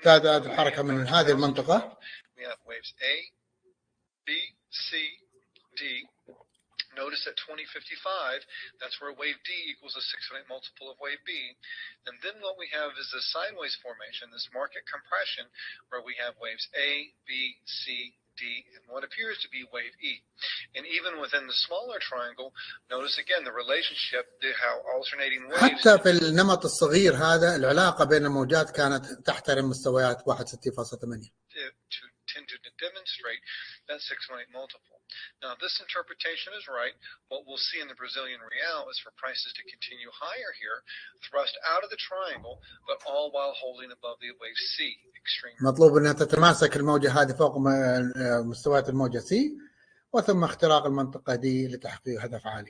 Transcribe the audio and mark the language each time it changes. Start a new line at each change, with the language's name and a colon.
Arabic: تعداد الحركة من هذه المنطقة.
English: We have waves A, B, C, D. Notice at 2055, that's where wave D equals a 6.8 multiple of wave B. And then what we have is a sideways formation, this market compression, where we have waves A, B, C, D, and what appears to be wave E. And even within the smaller triangle, notice again the relationship to how alternating waves.
Arabic: حتى في النمط الصغير هذا العلاقة بين الموجات كانت تحترم مستويات 61.8.
English: To tend to demonstrate that 6.8 multiple. Now, if this interpretation is right, what we'll see in the Brazilian real is for prices to continue higher here, thrust out of the triangle, but all while holding above the wave C.
Arabic: مطلوب أن تتماسك الموجة هذه فوق مستويات الموجة C، وثم اختراق المنطقة D لتحقيق هدف عالي.